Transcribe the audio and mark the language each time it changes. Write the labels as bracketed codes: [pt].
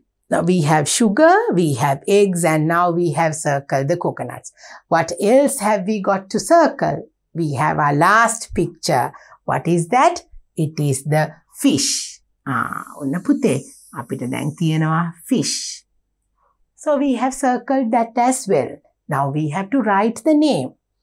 [en] Now we have sugar, we have eggs, and now we have circled the coconuts. What else have we got to circle? We have our last picture. What is that? It is the fish. [si] ඔන්න පුතේ අපිට දැන් තියෙනවා fish. [en] So we have circled that as well. Now we have to write the name.